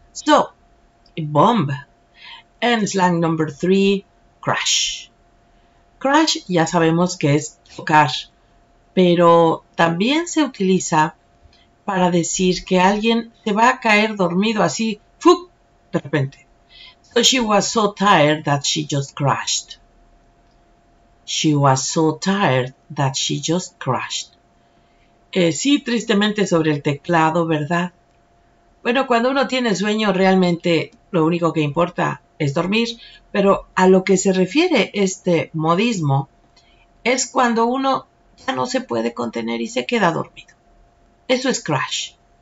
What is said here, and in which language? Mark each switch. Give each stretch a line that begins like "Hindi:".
English: So, bomb. And slang number three, crash.
Spanish: Crash ya sabemos que es chocar, pero también se utiliza para decir que alguien se va a caer dormido así, ¡fuc!, de repente.
English: So she was so tired that she just crashed. She was so tired that she just crashed.
Spanish: Sí, tristemente sobre el teclado, ¿verdad? Bueno, cuando uno tiene sueño, realmente lo único que importa es dormir. Pero a lo que se refiere este modismo es cuando uno ya no se puede contener y se queda dormido. Eso es crash.